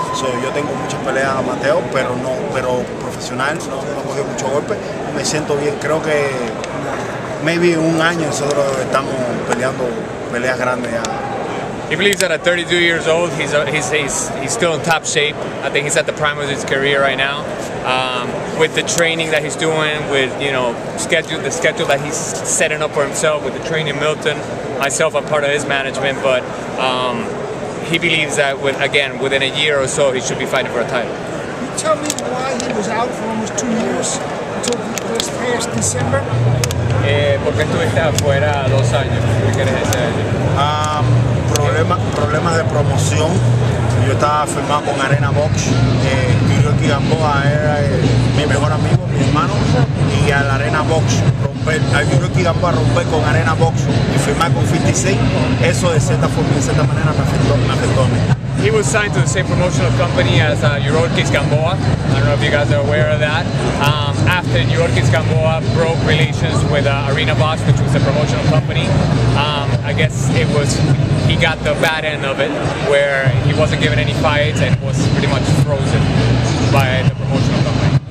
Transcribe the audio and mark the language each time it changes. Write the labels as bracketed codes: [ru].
[es] So, yo tengo muchas peleas amateur, pero profesionales, no he cogido muchos golpes, me siento bien, creo que maybe un año nosotros estamos peleando peleas grandes ya. [en] He believes that at 32 years old, he's still in top shape. I think he's at the prime of his career right now. With the training that he's doing, with the schedule that he's setting up for himself, with the training in Milton, myself, I'm part of his management, but he believes that, within a year or so, he should be fighting for a title. Can you tell me why he was out for almost 2 years until this past December? [es] ¿Por qué estuviste afuera dos años? ¿Qué quieres decir? Problemas de promoción. Yo estaba firmado con Arena Box. Yuriyuki Gamboa era mi mejor amigo, mi hermano. Y al Arena Box romper, a Yuriyuki Gamboa romper con Arena Box y firmar con 56, eso de cierta forma, de cierta manera me afectó a mí. [en] He was signed to the same promotional company as Yuriyuki Gamboa. I don't know if you guys are aware of that. After Yuriyuki Gamboa broke relations with Arena Box, which was a promotional company, I guess it was, he got the bad end of it, where he wasn't given any fights and was pretty much frozen by the promotional company.